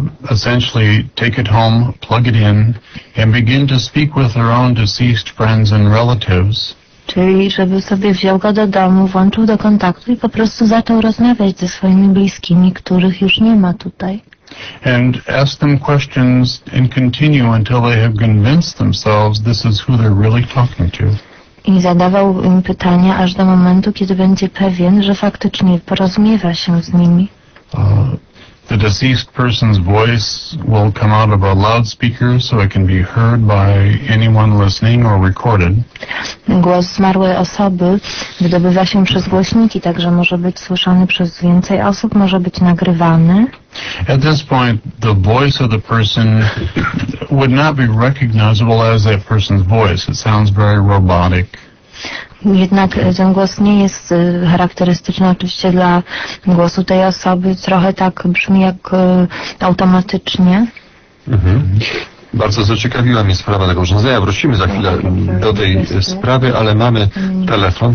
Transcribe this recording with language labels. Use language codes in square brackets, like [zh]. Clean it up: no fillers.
[en] Essentially, take it home, plug it in, and begin to speak with their own deceased friends and relatives. [pl] Czyli, żeby sobie wziął go do domu, włączył do kontaktu i po prostu zaczął rozmawiać ze swoimi bliskimi, których już nie ma tutaj. [en] And ask them questions and continue until they have convinced themselves this is who they're really talking to. [pl] I zadawał im pytania aż do momentu, kiedy będzie pewien, że faktycznie porozumiewa się z nimi. [en] The deceased person's voice will come out of a loudspeaker so it can be heard by anyone listening or recorded. [pl] Głos zmarłej osoby wydobywa się przez głośniki, także może być słyszany przez więcej osób, może być nagrywany. [en] At this point, the voice of the person would not be recognizable as that person's voice. It sounds very robotic. [pl] Jednak ten głos nie jest charakterystyczny oczywiście dla głosu tej osoby. Trochę tak brzmi jak automatycznie. Mhm. Bardzo zaciekawiła mnie sprawa tego urządzenia. Wrócimy za chwilę do tej sprawy, ale mamy telefon.